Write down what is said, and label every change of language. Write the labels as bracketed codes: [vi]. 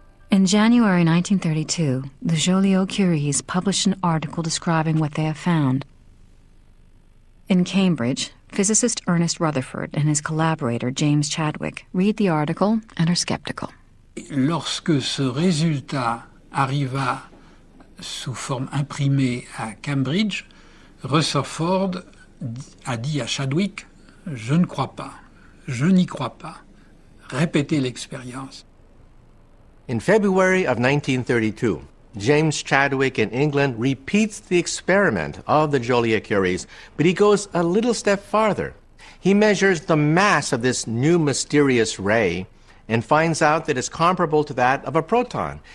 [en] In January 1932, the Joliot-Curies published an article describing what they have found. In Cambridge, physicist Ernest Rutherford and his collaborator James Chadwick read the article and are skeptical. [fr] Lorsque ce résultat arriva sous forme imprimée à Cambridge, Rutherford a dit à Chadwick, je ne crois pas, je n'y crois pas. Répétez l'expérience. [en] In February of 1932, James Chadwick in England repeats the experiment of the Joliot-Curies, but he goes a little step farther. He measures the mass of this new mysterious ray and finds out that it's comparable to that of a proton.